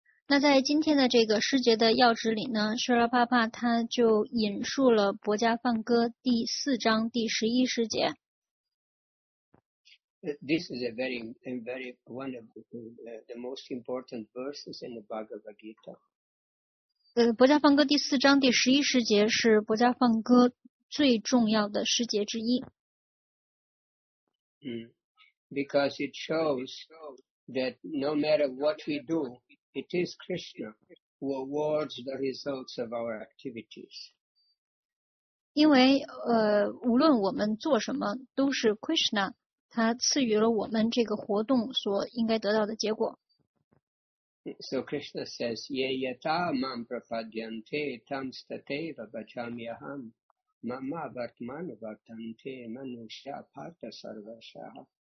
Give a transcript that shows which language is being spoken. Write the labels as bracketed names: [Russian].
[Chinese] 那在今天的这个诗节的要旨里呢，舍拉帕帕他就引述了《博迦梵歌》第四章第十一诗节。 [English] This is a very, very one of the most important verses in the Bhagavad Gita. [Chinese] 博迦梵歌第四章第十一诗节是博迦梵歌最重要的诗节之一。 [English] Because it shows that no matter what we do. It is Krishna who awards the results of our activities. [Chinese] 因为无论我们做什么，都是 Krishna 他赐予了我们这个活动所应该得到的结果。 [English] So Krishna says, [Sanskrit] "Ye yata mam prapadyante tam stateva bhajami aham mama vartmano vartante manusya parta sarvasya."